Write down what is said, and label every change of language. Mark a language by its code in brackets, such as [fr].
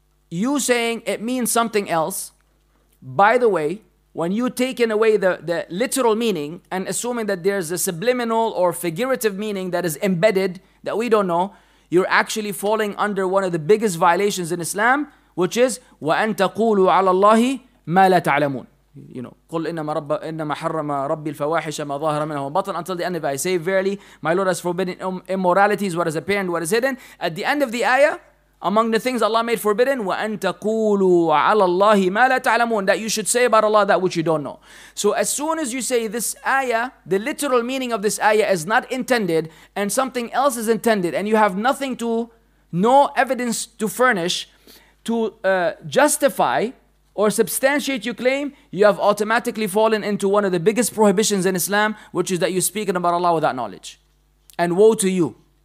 [en] You saying it means something else. By the way, when you taking away the literal meaning and assuming that there's a subliminal or figurative meaning that is embedded that we don't know, you're actually falling under one of the biggest violations in Islam, which is [ar] وَأَن تَقُولُوا عَلَى اللَّهِ مَا لَا تَعْلَمُونَ. You know, قُلْ إِنَّمَا حَرَّمَ رَبِّي الْفَوَاحِشَ مَا ظَاهَرَ مِنْهُ وَبَطَنَ. [en] Until the end of it, I say, verily, my Lord has forbidden immoralities, what is apparent, what is hidden. At the end of the ayah, among the things Allah made forbidden, [ar] وَأَن تَقُولُوا عَلَى اللَّهِ مَا لَا تَعْلَمُونَ, [en] that you should say about Allah that which you don't know. So as soon as you say this ayah, the literal meaning of this ayah is not intended, and something else is intended, and you have nothing to, no evidence to furnish, to justify or substantiate your claim, you have automatically fallen into one of the biggest prohibitions in Islam, which is that you're speaking about Allah without knowledge. And woe to you.